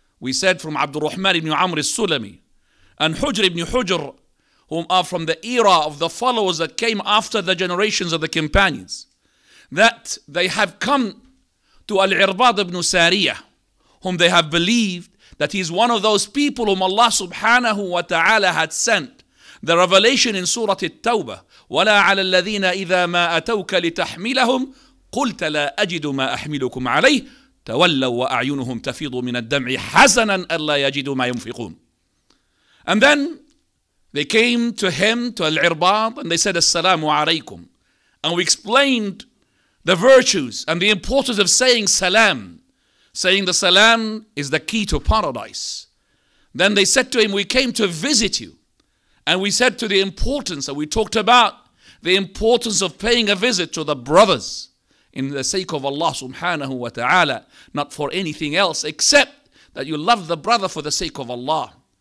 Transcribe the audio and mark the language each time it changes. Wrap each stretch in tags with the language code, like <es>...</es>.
<en>We said from Abdul Rahman ibn Amr al-Sulami and Hujr ibn Hujr, whom are from the era of the followers that came after the generations of the companions, that they have come to Al-Irbad ibn Sariyah, whom they have believed that he is one of those people whom Allah subhanahu wa ta'ala had sent. The revelation in Surah At-Tawbah,</en> <ar>وَلَا عَلَى الَّذِينَ إِذَا مَا أَتَوْكَ لِتَحْمِلَهُمْ قلت لا أجد ما أحملكم عليه تولوا وأعينهم تفيض من الدمع حزنا ألا يجدوا ما ينفقون.</ar> <en>And then they came to him, to Al-Irbad, and they said, Assalamu alaikum. And we explained the virtues and the importance of saying salam, saying the salam is the key to paradise. Then they said to him, we came to visit you. And we said to the importance, and we talked about the importance of paying a visit to the brothers in the sake of Allah subhanahu wa ta'ala, not for anything else except that you love the brother for the sake of Allah.</en>